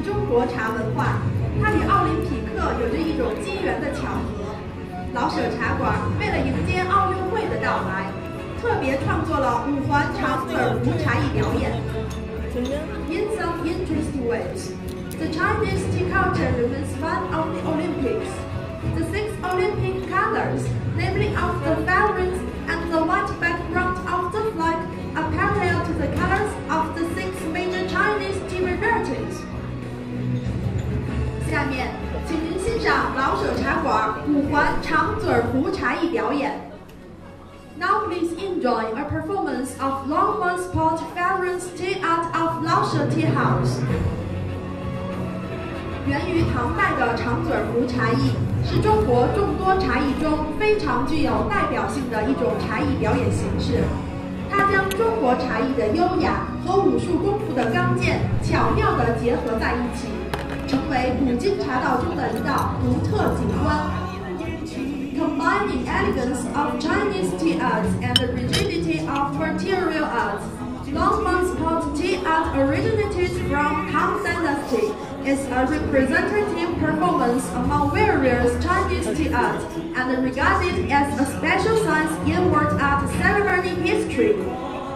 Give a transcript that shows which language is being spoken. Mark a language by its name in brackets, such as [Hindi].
[Chinese] 国茶文化，它与奥林匹克有着一种机缘的巧合。老舍茶馆为了迎接奥运会的到来，特别创作了五环长耳壶茶艺表演。 [English] In some interesting ways, the Chinese tea culture remains one of the Olympics. The six Olympic colors, namely of the fairings and the white background of the flag, are parallel to the colors of the six major Chinese tea varieties. [Chinese] 下面，请您欣赏老舍茶馆五环长嘴壶茶艺表演。 [English] Now please enjoy a performance of Longman's Pot Fairings Tea Art of LaoShe Tea House. [Chinese] 源于唐代的长嘴壶茶艺是中国众多茶艺中非常具有代表性的一种茶艺表演形式。它将中国茶艺的优雅和武术功夫的刚健巧妙地结合在一起，成为古今茶道中的一道独特景观。 [English] Combining elegance of Chinese tea arts and the rigidity of material arts, Longman's Pot Tea Art originated from Tang Dynasty is a representative performance among various Chinese tea arts and regarded as a special science in world art ceremony history.